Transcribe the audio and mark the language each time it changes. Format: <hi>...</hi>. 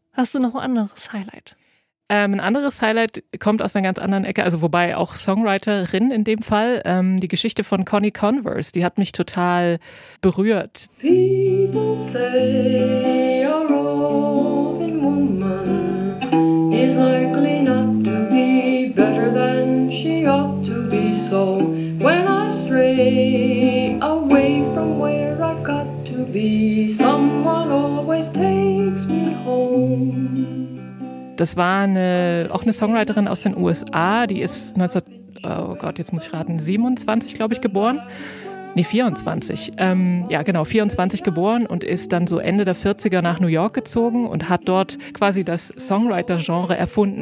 <de>Hast du noch ein anderes Highlight? Ein anderes Highlight kommt aus einer ganz anderen Ecke, also wobei auch Songwriterin in dem Fall, die Geschichte von Connie Converse, die hat mich total berührt.</de> <en>People say a roving woman is likely not to be better than she ought to be. So when I stray away from where I've got to be, someone always takes me home.</en> <de>Das war auch eine Songwriterin aus den USA, die ist 27, glaube ich, geboren. Nee, 24. 24 geboren und ist dann so Ende der 40er nach New York gezogen und hat dort quasi das Songwriter-Genre erfunden.</de>